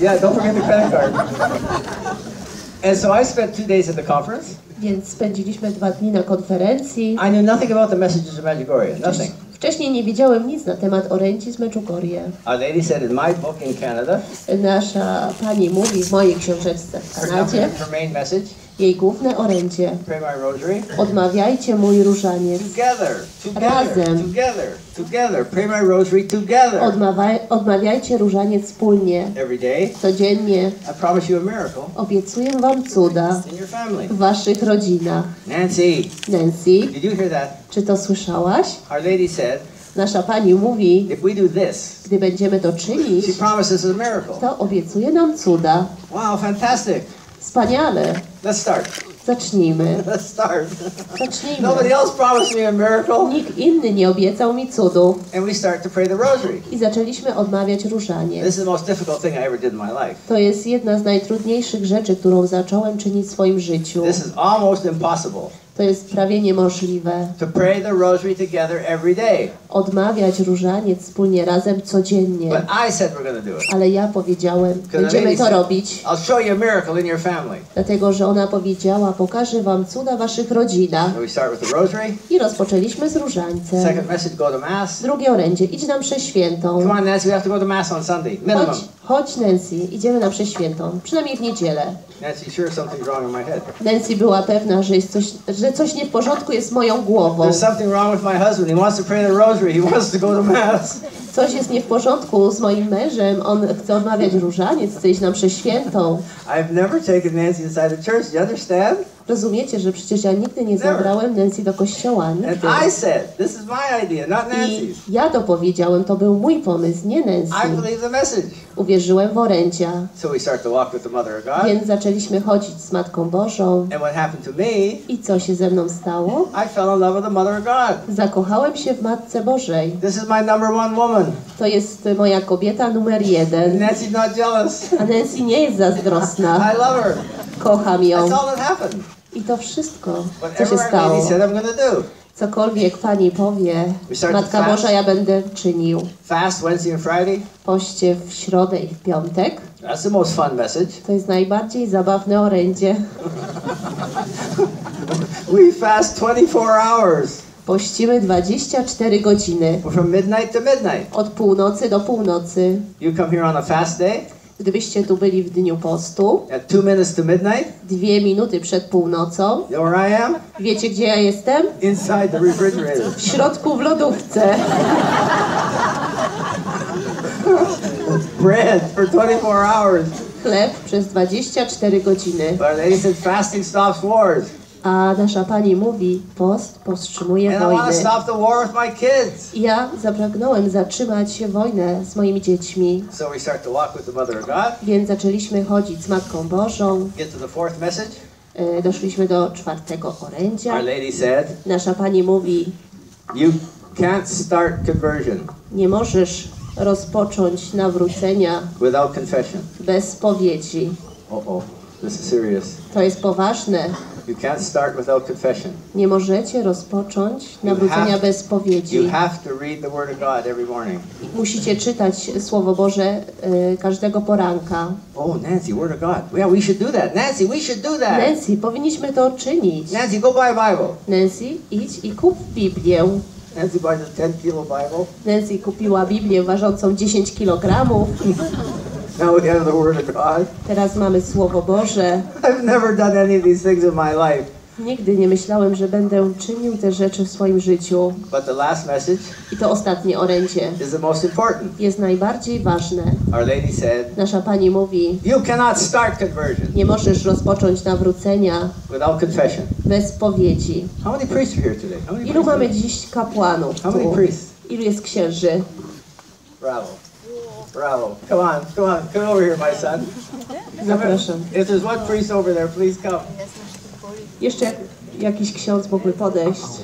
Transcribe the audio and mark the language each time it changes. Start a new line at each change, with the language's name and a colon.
English: Yeah, don't forget the credit card. And so I spent 2 days at the conference.
Polish: Więc spędziliśmy 2 dni na konferencji.
English: I knew nothing about the messages of Medjugorje. Nothing.
Polish: Wcześniej nie wiedziałem nic na temat orędzi z Medjugorje.
English: A lady said in my book in Canada.
Polish: Nasza pani mówi w mojej książeczce w Kanadzie.
English: Her main message.
Polish: Jej główne orędzie.
English: Pray my rosary.
Polish: Odmawiajcie mój różaniec.
English: Together.
Polish: Razem.
English: Together. Together. Pray my rosary together.
Polish: Odmawiajcie różaniec wspólnie.
English: Every day.
Polish: Codziennie.
English: I promise you a miracle.
Polish: Obiecuję wam cuda.
English: In your family.
Polish: W waszych rodzinach.
English: Nancy.
Polish: Nancy.
English: Did you hear that?
Polish: Czy to słyszałaś?
English: Our lady said.
Polish: Nasza pani mówi,
English: if we do this,
Polish: gdy będziemy to czynić,
English: she promises a miracle.
Polish: To obiecuje nam cuda.
English: Wow, fantastic.
Polish: Wspaniale.
English: Let's start.
Polish: Zacznijmy.
English: Let's start.
Polish: Zacznijmy.
English: Nobody else promised me a miracle.
Polish: Nikt inny nie obiecał mi cudu.
English: And we start to pray the rosary.
Polish: I zaczęliśmy odmawiać różanie.
English: This is the most difficult thing I ever did in my life.
Polish: To jest jedna z najtrudniejszych rzeczy, którą zacząłem czynić w swoim życiu.
English: This is almost impossible.
Polish: To jest prawie niemożliwe.
English: To pray the rosary together every day.
Polish: Odmawiać różaniec wspólnie razem codziennie.
English: But I said we're gonna do it.
Polish: Ale ja powiedziałem, będziemy to robić.
English: I'll show you a miracle in your family.
Polish: Dlatego, że ona powiedziała, pokażę wam cuda w waszych rodzinach.
English: So we start with the rosary.
Polish: I rozpoczęliśmy z różańcem.
English: Second message, go to mass.
Polish: Drugie orędzie, idź na mszę świętą.
English: Come on, Nancy, we have to go to mass on Sunday. Minimum.
Polish: Chodź Nancy, idziemy na mszę świętą, przynajmniej w niedzielę.
English: Nancy, sure something's wrong in my head.
Polish: Nancy była pewna, że jest coś, że coś nie w porządku jest z moją głową.
English: There's something wrong with my husband. He wants to pray the rosary. He wants to go to mass.
Polish: Coś jest nie w porządku z moim mężem. On chce odmawiać różaniec, chce iść na mszę świętą.
English: I've never taken Nancy inside the church. You understand?
Polish: Rozumiecie, że przecież ja nigdy nie zabrałem Nancy do kościoła. Nigdy.
English: And I said, this is my idea, not Nancy's.
Polish: I ja to powiedziałem, to był mój pomysł, nie Nancy.
English: I believe the message.
Polish: Uwierzyłem w orędzia.
English: So we start to walk with the Mother of God.
Polish: Więc zaczęliśmy chodzić z Matką Bożą.
English: And what happened to me?
Polish: I co się ze mną stało?
English: I fell in love with the Mother of God.
Polish: Zakochałem się w Matce Bożej.
English: This is my number one woman.
Polish: To jest moja kobieta numer jeden.
English: Nancy's not jealous.
Polish: A Nancy nie jest zazdrosna.
English: I love her.
Polish: Kocham ją.
English: That's all that happened.
Polish: I to wszystko, co się stało.
English: Said, I'm gonna do.
Polish: Cokolwiek pani powie, Matka Boża, ja będę czynił.
English: Fast Wednesday and Friday.
Polish: Poście w środę i w piątek.
English: That's the most fun message.
Polish: To jest najbardziej zabawne orędzie.
English: We fast 24 hours.
Polish: Pościmy 24 godziny.
English: From midnight to midnight.
Polish: Od północy do północy.
English: You come here on a fast day.
Polish: gdybyście tu byli w dniu postu.
English: At 2 minutes to midnight.
Polish: 2 minuty przed północą.
English: You know where I am?
Polish: Wiecie, gdzie ja jestem?
English: Inside the refrigerator.
Polish: W środku w lodówce.
English: Bread for 24 hours.
Polish: Chleb przez 24 godziny.
English: But they said fasting stops wars.
Polish: A nasza pani mówi, post powstrzymuje wojnę.
English: Stop the war with my kids.
Polish: Ja zapragnąłem zatrzymać wojnę z moimi dziećmi.
English: So we start to walk with the Mother of God.
Polish: Więc zaczęliśmy chodzić z Matką Bożą.
English: Get to the fourth message.
Polish: Doszliśmy do czwartego orędzia.
English: Our lady said,
Polish: nasza pani mówi,
English: you can't start conversion.
Polish: Nie możesz rozpocząć nawrócenia
English: without confession.
Polish: Bez spowiedzi.
English: This is serious.
Polish: To jest poważne.
English: You can't start without confession.
Polish: Nie możecie rozpocząć nawrócenia bez spowiedzi.
English: You have to read the word of God every morning.
Polish: Musicie czytać słowo Boże każdego poranka.
English: Oh, Nancy, word of God. Yeah, we should do that. Nancy, we should do that.
Polish: Nancy, powinniśmy to czynić.
English: Nancy, go buy a Bible.
Polish: Nancy, idź i kup Biblię.
English: Nancy bought a 10 kilo Bible.
Polish: Nancy kupiła Biblię ważącą 10 kg.
English: Now we have the word of God.
Polish: Teraz mamy słowo Boże.
English: I've never done any of these things in my life.
Polish: Nigdy nie myślałem, że będę czynił te rzeczy w swoim życiu.
English: But the last message.
Polish: I to ostatnie orędzie.
English: Is the most important.
Polish: Jest najbardziej ważne.
English: Our lady said.
Polish: Nasza pani mówi.
English: You cannot start conversion.
Polish: Nie możesz rozpocząć nawrócenia.
English: Without confession.
Polish: Bez spowiedzi.
English: How many priests are here today?
Polish: Ilu mamy dziś kapłanów?
English: How many priests?
Polish: Ilu jest księży?
English: Bravo. Bravo. Come on, come on. Come over here, my son.
Polish: Zapraszam.
English: If there's one priest over there, please come.
Polish: Jeszcze jakiś ksiądz mógłby podejść.